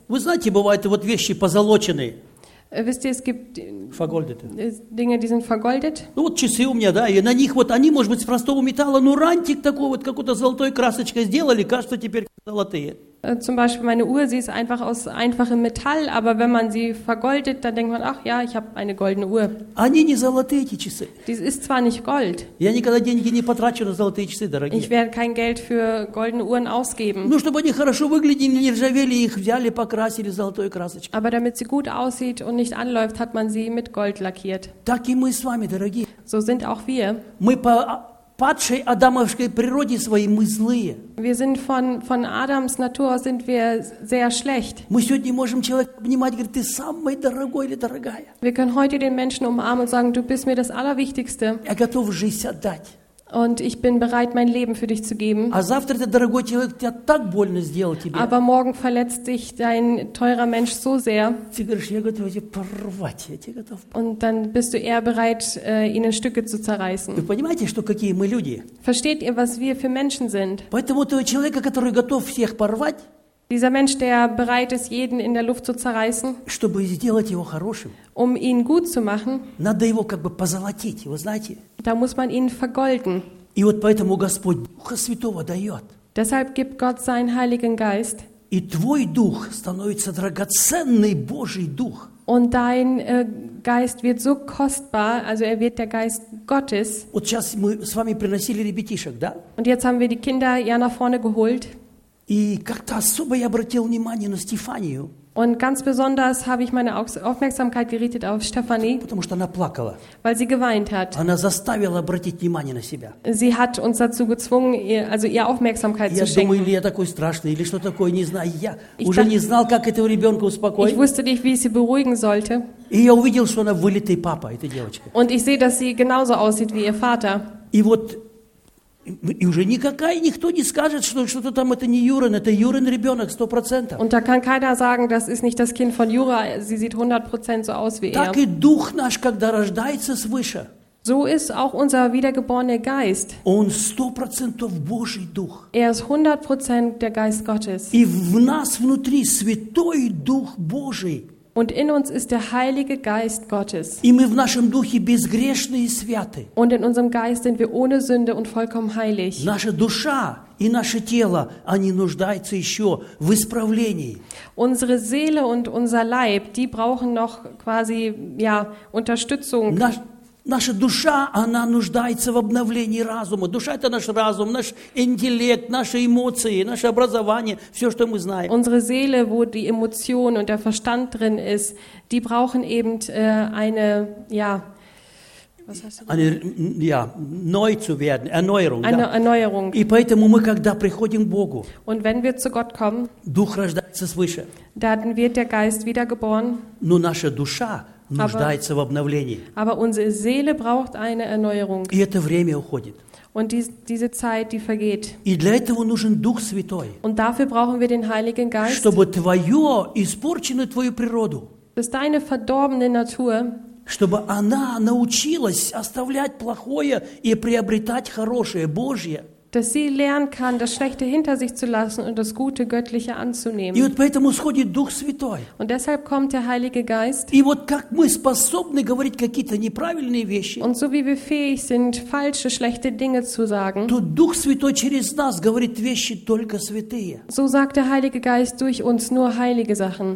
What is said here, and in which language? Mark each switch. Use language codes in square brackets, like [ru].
[ru] Вы знаете, бывают вот вещи позолоченные. [de] Wisst ihr, es gibt Dinge, die sind vergoldet. [ru] Ну вот часы у меня, да, и на них вот они, может быть, с простого металла, но рантик такой вот, какой-то золотой красочкой сделали, кажется, теперь золотые. [de] Zum Beispiel meine Uhr, sie ist einfach aus einfachem Metall, aber wenn man sie vergoldet, dann denkt man, ach ja, ich habe eine goldene Uhr. [ru] Они не золотые, эти часы. [de] Dies ist zwar nicht Gold. [ru] Я никогда деньги не потрачу на золотые часы, дорогие. [de] Ich werde kein Geld für goldene Uhren ausgeben. [ru] Ну, чтобы они хорошо выглядели, не ржавели, их взяли, покрасили золотой красочкой. [de] Aber damit sie gut aussieht und nicht anläuft, hat man sie mit Gold lackiert. [ru] Так и мы с вами, дорогие. [de] So sind auch wir. [ru] Мы по падшей адамовской природе своей мы злые. [de] Wir sind von Adams Natur aus sind wir sehr schlecht. [ru] Мы сегодня можем человека обнимать, говорить, ты самый дорогой или дорогая. [de] Wir können heute den Menschen umarmen und sagen, du bist mir das Allerwichtigste. [ru] Я готов жизнь отдать. [de] Und ich bin bereit, mein Leben für dich zu geben. [ru] А завтра этот дорогой человек тебя так больно сделал тебе. [de] Aber morgen verletzt dich dein teurer Mensch so sehr. [ru] Ты говоришь, я готов тебя порвать, я тебя готов. [de] Und dann bist du eher bereit, ihn in Stücke zu zerreißen. [ru] Вы понимаете, что какие мы люди? [de] Versteht ihr, was wir für Menschen sind? [ru] Поэтому этого человека, который готов всех порвать. [de] Dieser Mensch, der bereit ist, jeden in der Luft zu zerreißen, [ru] чтобы сделать его хорошим, [de] um ihn gut zu machen, [ru] надо его как бы позолотить, вы знаете? [de] Da muss man ihn vergolden. [ru] И вот поэтому Господь Духа Святого дает. [de] Deshalb gibt Gott seinen Heiligen Geist. [ru] И твой дух становится драгоценный Божий дух. [de] Und dein Geist wird so kostbar, also er wird der Geist Gottes. [ru] Вот сейчас мы с вами приносили ребятишек, да? [de] Und jetzt haben wir die Kinder ja nach vorne geholt. [ru] И как-то особо я обратил внимание на Стефанию. [de] Und ganz besonders habe ich meine Aufmerksamkeit gerichtet auf Stefanie, [ru] потому что она плакала. [de] Weil sie geweint hat. [ru] Она заставила обратить внимание на себя. [de] Sie hat uns dazu gezwungen, ihr Aufmerksamkeit [ru] я [de] zu schenken. [ru] Думаю, я такой страшный или что такое, не знаю. Я [de] ich [ru] уже [de] dachte, [ru] не знал, как этого ребенка успокоить. [de] Ich wusste nicht, wie ich sie beruhigen sollte. [ru] И я увидел, что она вылитый папа, эта девочка. [de] Und ich sehe, dass sie genauso aussieht wie ihr Vater. [ru] И вот и уже никакая никто не скажет, что что-то там это не Юрин, это Юрин ребенок 100%. [de] Und da kann keiner sagen, das ist nicht das Kind von Jura, sie sieht 100% so aus wie er. [ru] Так и дух наш, когда рождается свыше. [de] So ist auch unser wiedergeborener Geist. [ru] Он 100% Божий дух. [de] Er ist 100% der Geist Gottes. [ru] И в нас внутри Святой Дух Божий. [de] Und in uns ist der Heilige Geist Gottes. [ru] И мы в нашем духе безгрешны и святы. [de] Und in unserem Geist sind wir ohne Sünde und vollkommen heilig. [ru] Наша душа и наше тело, они нуждаются еще в исправлении. [de] Unsere Seele und unser Leib, die brauchen noch quasi, ja, Unterstützung. [ru] Наша душа, она нуждается в обновлении разума. Душа – это наш разум, наш интеллект, наши эмоции, наше образование, все, что мы знаем. [de] Unsere Seele, wo die Emotion und der Verstand drin ist, die brauchen eben eine, ja, was hast du? Eine, ja, neu zu werden, Erneuerung. Eine, ja. Erneuerung. [ru] И поэтому мы, когда приходим к Богу, [de] und wenn wir zu Gott kommen, [ru] Дух рождается свыше. [de] Dann wird der Geist wiedergeboren. [ru] Но наша душа, нуждается в обновлении. [de] Aber unsere Seele braucht eine Erneuerung. [ru] И это время уходит. [de] Und diese Zeit, die vergeht. [ru] И для этого нужен Дух Святой. [de] Und dafür brauchen wir den Heiligen Geist. [ru] Чтобы твою испорченную твою природу. [de] Dass deine verdorbene Natur. [ru] Чтобы она научилась оставлять плохое и приобретать хорошее Божье. [de] Dass sie lernen kann, das Schlechte hinter sich zu lassen und das Gute, Göttliche anzunehmen. Вот und deshalb kommt der Heilige Geist. [ru] Вот вещи, [de] und so wie wir fähig sind, falsche, schlechte Dinge zu sagen, so sagt der Heilige Geist durch uns nur heilige Sachen.